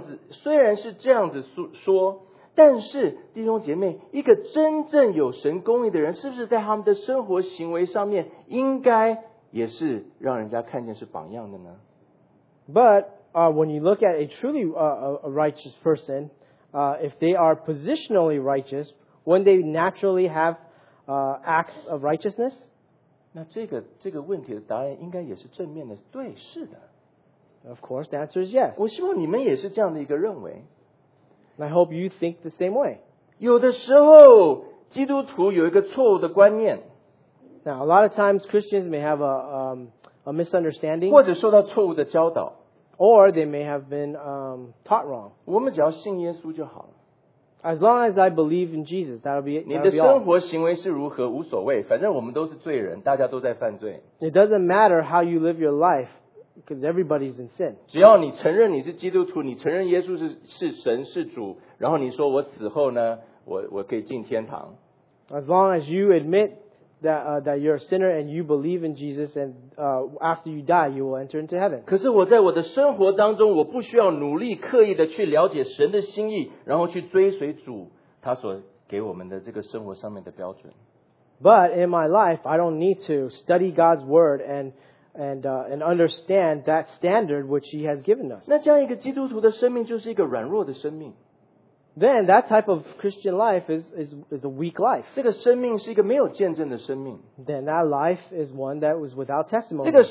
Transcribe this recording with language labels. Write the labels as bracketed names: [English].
[Chinese] 虽然是这样子说，但是弟兄姐妹，一个真正有神公义的人，是不是在他们的生活行为上面，应该也是让人家看见是榜样的呢？ [English] But when you look at a truly a righteous person, if they are positionally righteous, when they naturally have acts of righteousness, [Chinese] 那这个问题的答案应该也是正面的。对，是的。 [English] Of course, the answer is yes. [Chinese] 我希望你们也是这样的一个认为。 [English] I hope you think the same way. [Chinese] 有的时候，基督徒有一个错误的观念。 [English] Now, a lot of times Christians may have a misunderstanding. [Chinese] 或者受到错误的教导。 [English] Or they may have been taught wrong. [Chinese] 我们只要信耶稣就好了。 [English] As long as I believe in Jesus, that'll be it. [Chinese] 你的生活行为是如何无所谓，反正我们都是罪人，大家都在犯罪。 [English] It doesn't matter how you live your life, because everybody's in sin. [Chinese] 只要你承认你是基督徒，你承认耶稣是神是主，然后你说我死后呢，我可以进天堂。 [English] As long as you admit that you're a sinner and you believe in Jesus, and after you die, you will enter into heaven. [Chinese] 可是我在我的生活当中，我不需要努力刻意的去了解神的心意， 然后去追随主他所给我们的这个生活上面的标准。 [English] But in my life, I don't need to study God's word and understand that standard which He has given us. [Chinese] 那这样一个基督徒的生命就是一个软弱的生命。 [English] Then that type of Christian life is a weak life. [Chinese] 这个生命是一个没有见证的生命。 [English] Then that life is one that was without testimony.